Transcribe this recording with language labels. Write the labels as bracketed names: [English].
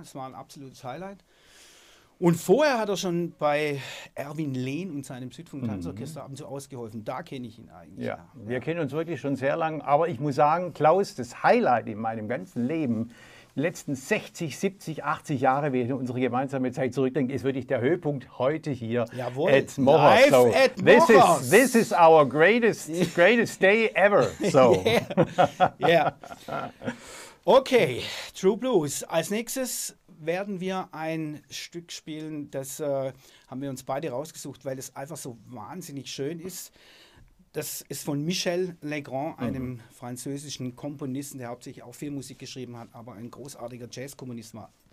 [German] Es war ein absolutes Highlight. Und vorher hat er schon bei Erwin Lehn und seinem Südfunk-Tanzorchester ab und zu ausgeholfen. Da kenne ich ihn eigentlich. Ja, wir kennen uns wirklich schon sehr lang. Aber ich muss sagen, Klaus, das Highlight in meinem ganzen Leben, die letzten 60, 70, 80 Jahre, wenn ich unsere gemeinsame Zeit zurückdenke, ist wirklich der Höhepunkt heute hier. Jawohl. [English] At Mochers. so, at Mochers. This is our greatest day ever. So. Yeah. Okay, True Blues. [German] Als nächstes werden wir ein Stück spielen, das haben wir uns beide rausgesucht, weil es einfach so wahnsinnig schön ist. Das ist von Michel Legrand, einem französischen Komponisten, der hauptsächlich auch viel Musik geschrieben hat, aber ein großartiger Jazzkomponist war.